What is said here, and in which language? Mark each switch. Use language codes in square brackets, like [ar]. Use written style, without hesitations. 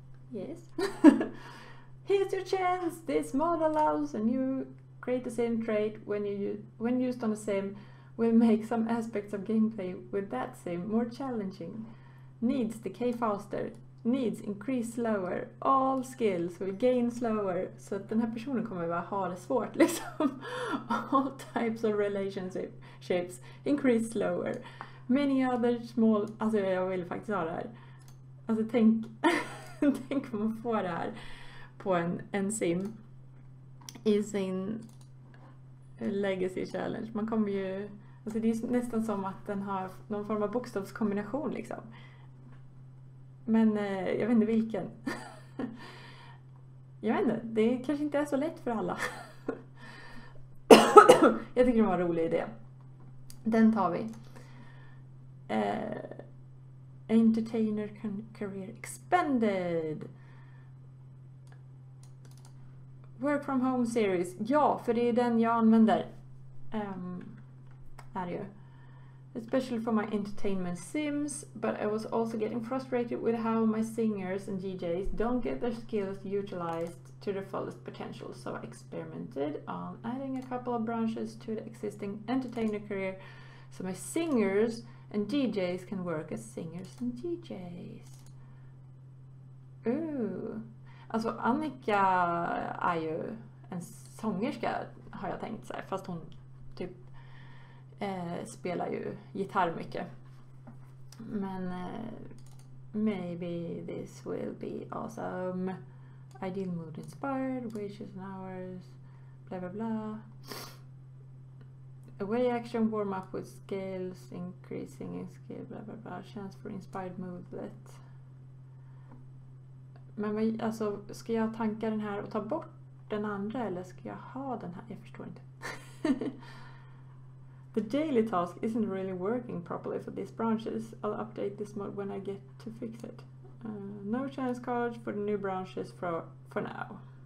[en] Yes. Here's your chance. This mod allows a new create the same trait when used on a sim will make some aspects of gameplay with that sim more challenging. Needs decay faster. Needs increase slower. All skills will gain slower. [sv] Så att den här personen kommer bara ha det svårt liksom. [en] All types of relationships increase slower. Many other small... [sv] Alltså jag vill faktiskt ha det här. Alltså tänk... tänk om man får det här på en sim i sin legacy challenge. Man kommer ju... Alltså det är nästan som att den har någon form av bokstavskombination liksom. Men jag vet inte vilken. Jag vet inte, det kanske inte är så lätt för alla. Jag tycker det var en rolig idé. Den tar vi. [en] Entertainer career expanded. Work from home series. [sv] Ja, för det är den jag använder. Är ju. [en] Especially for my entertainment sims, but I was also getting frustrated with how my singers and DJs don't get their skills utilized to their fullest potential. So I experimented on adding a couple of branches to the existing entertainer career so my singers and DJs can work as singers and DJs. Ooh. [sv] Alltså Annika är ju en sångerska har jag tänkt så här, fast hon typ spelar ju gitarr mycket. [en] Men maybe this will be awesome. Ideal mood inspired, wishes and hours, bla bla bla. Away action warm up with scales, increasing in scale, bla bla bla. Chance for inspired movelet. [sv] Men alltså, ska jag tanka den här och ta bort den andra eller ska jag ha den här? Jag förstår inte. [en] The daily task isn't really working properly for these branches. I'll update this mode when I get to fix it. No chance cards for the new branches for now.